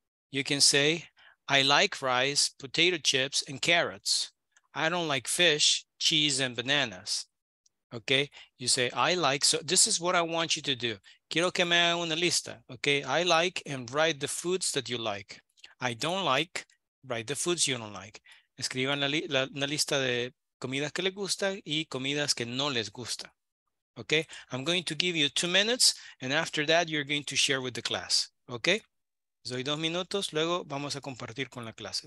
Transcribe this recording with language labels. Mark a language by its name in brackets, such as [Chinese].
[English] You can say, I like rice, potato chips, and carrots. I don't like fish, cheese, and bananas. Okay? You say, I like. So this is what I want you to do. [Spanish] Quiero que me haga una lista. [English] Okay? I like and write the foods that you like. I don't like, write the foods you don't like. [Spanish] Escriban una lista de comidas que les gusta y comidas que no les gusta. [English] Okay? I'm going to give you 2 minutes, and after that, you're going to share with the class. Okay? [Spanish] Les doy 2 minutos, luego vamos a compartir con la clase.